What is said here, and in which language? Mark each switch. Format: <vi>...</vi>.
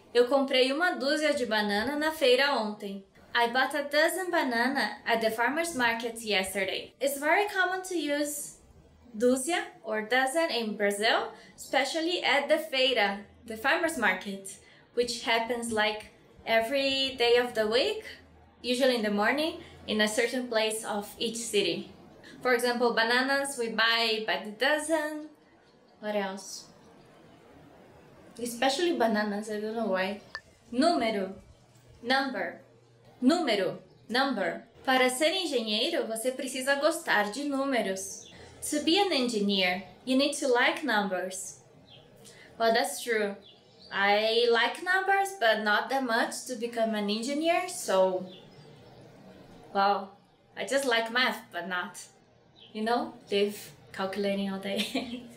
<pt>Eu comprei uma dúzia de banana na feira ontem.</pt> <en>I bought a dozen banana at the farmer's market yesterday. It's very common to use dúzia or dozen in Brazil, especially at the feira, the farmer's market, which happens like every day of the week, usually in the morning, in a certain place of each city. For example, bananas we buy by the dozen. What else? Especially bananas, I don't know why. Número. Number. Número. Number.</en> <pt>Para ser engenheiro, você precisa gostar de números.</pt> <en>To be an engineer, you need to like numbers. Well, that's true. I like numbers, but not that much to become an engineer, so... Well, I just like math, but not, you know, live calculating all day.</en>